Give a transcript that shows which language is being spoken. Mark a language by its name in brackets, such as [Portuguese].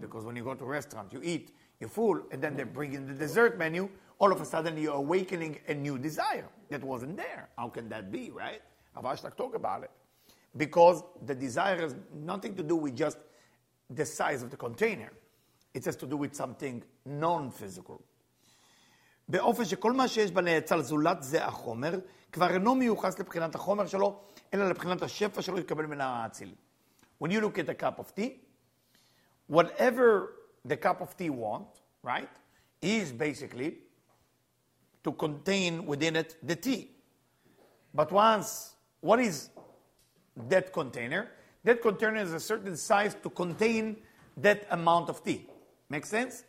[English] Because when you go to a restaurant, you eat, you're full, and then they bring in the dessert menu, all of a sudden you're awakening a new desire that wasn't there. How can that be, right? Avashtak talk about it. Because the desire has nothing to do with just the size of the container. It has to do with something non-physical. [Hebrew] באופן שכל מה שיש בנאצל זולת זה החומר, כבר אינו מיוחס לבחינת החומר שלו, אלא לבחינת השפע שלו יתקבל מן האציל. [English] When you look at a cup of tea, whatever the cup of tea wants, right, is basically to contain within it the tea. But once, what is that container? That container is a certain size to contain that amount of tea. Make sense?